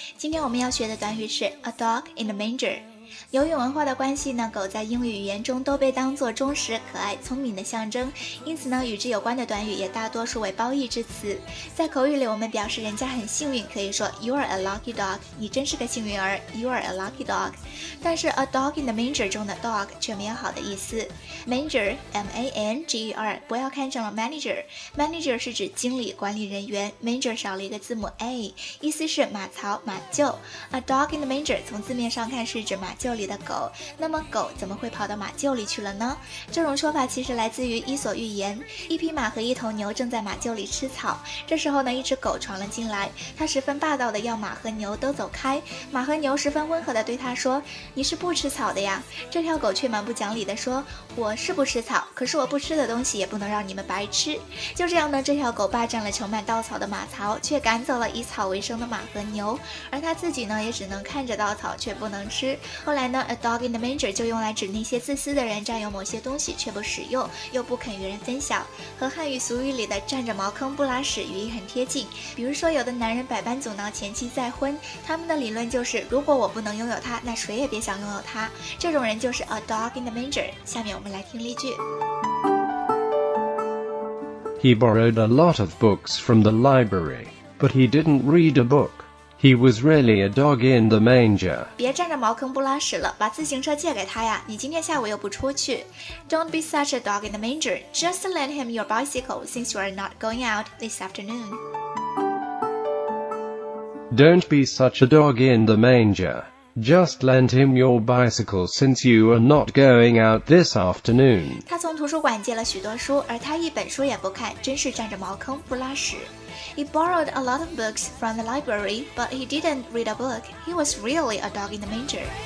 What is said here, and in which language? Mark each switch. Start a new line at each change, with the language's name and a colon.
Chinese: 今天我们要学的短语是 a dog in the manger。由于文化的关系呢，狗在英语语言中都被当作忠实、可爱、聪明的象征，因此呢，与之有关的短语也大多数为褒义之词。在口语里，我们表示人家很幸运，可以说
English: You are a lucky dog，
Chinese: 你真是个幸运儿 ，You are a lucky dog。但是 a dog in the manger 中的 dog 却没有好的意思。 Manger M-A-N-G-E-R 不要看成了 manager 是指经理、管理人员 ，manger 少了一个字母 a， 意思是马槽、马厩。 A dog in the manger 从字面上看是指马厩里的狗，那么狗怎么会跑到马厩里去了呢？这种说法其实来自于伊索寓言，一匹马和一头牛正在马厩里吃草，这时候呢，一只狗闯了进来，它十分霸道的要马和牛都走开，马和牛十分温和的对它说，你是不吃草的呀，这条狗却蛮不讲理的说，我是不吃草，可是我不吃的东西也不能让你们白吃，就这样呢，这条狗霸占了盛满稻草的马槽，却赶走了以草为生的马和牛，而它自己呢，也只能看着稻草却不能吃。后来呢 ，a dog in the manger 就用来指那些自私的人，占有某些东西却不使用，又不肯与人分享，和汉语俗语里的占着茅坑不拉屎语义很贴近。比如说，有的男人百般阻挠前妻再婚，他们的理论就是，如果我不能拥有她，那谁也别想拥有她。这种人就是 a dog in the manger。下面我们来听例句。
English: He borrowed a lot of books from the library, but he didn't read a book. He was really a dog in the manger.
Chinese: 别站着茅坑不拉屎了，把自行车借给他呀，你今天下午又不出去。
English: Don't be such a dog in the manger. Just lend him your bicycle since you are not going out this afternoon. Don't be such a dog in the manger. Just lend him your bicycle since you are not going out this afternoon.
Chinese: 他从图书馆借了许多书，而他一本书也不看，真是站着茅坑不拉屎。
English: He borrowed a lot of books from the library, but he didn't read a book. He was really a dog in the manger.